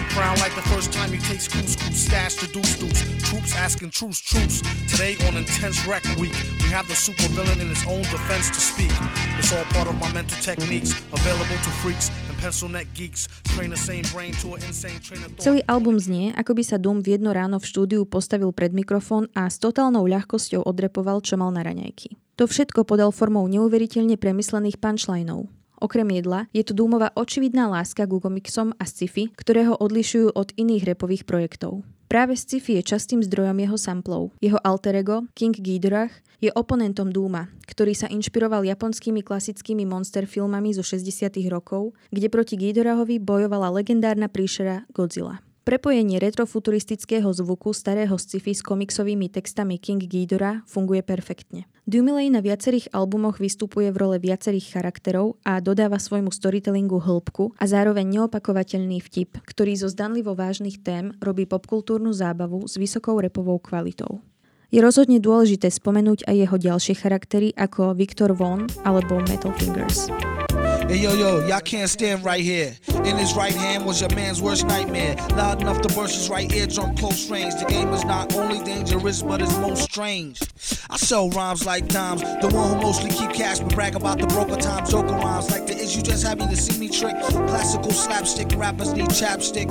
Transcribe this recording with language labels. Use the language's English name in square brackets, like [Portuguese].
[English] Crown like the first time you taste couscous, stash the deuce, troops asking truce. Today on intense wreck week, we have the supervillain in his own defense to speak. It's all part of my mental techniques, available to freaks and pencil neck geeks. Train the same brain to an insane train of thought. [Slovak] Celý album znie, ako by sa Doom v jedno ráno v štúdiu postavil pred mikrofón a s totálnou ľahkosťou odrepoval, čo mal na raňajky. To všetko podal formou neuveriteľne premyslených punchlinov. Okrem jedla, je tu Doomova očividná láska k gumixom a sci-fi, ktoré ho odlišujú od iných rapových projektov. Práve sci-fi je častým zdrojom jeho samplov. Jeho alter ego, King Ghidorah, je oponentom Dooma, ktorý sa inšpiroval japonskými klasickými monster filmami zo 60. rokov, kde proti Ghidorahovi bojovala legendárna príšera Godzilla. Prepojenie retrofuturistického zvuku starého sci-fi s komiksovými textami King Ghidorah funguje perfektne. Dumilej na viacerých albumoch vystupuje v role viacerých charakterov a dodáva svojmu storytellingu hĺbku a zároveň neopakovateľný vtip, ktorý zo zdanlivo vážnych tém robí popkultúrnu zábavu s vysokou rapovou kvalitou. Je rozhodne dôležité spomenúť aj jeho ďalšie charaktery ako Victor Von alebo Metal Fingers. [English] Hey, yo, yo, y'all can't stand right here. In his right hand was your man's worst nightmare. Loud enough to burst his right eardrum close range. The game is not only dangerous, but it's most strange. I sell rhymes like dimes. The one who mostly keep cash, but brag about the broker time. Joker rhymes like the issue just happy to see me trick. Classical slapstick, rappers need chapstick.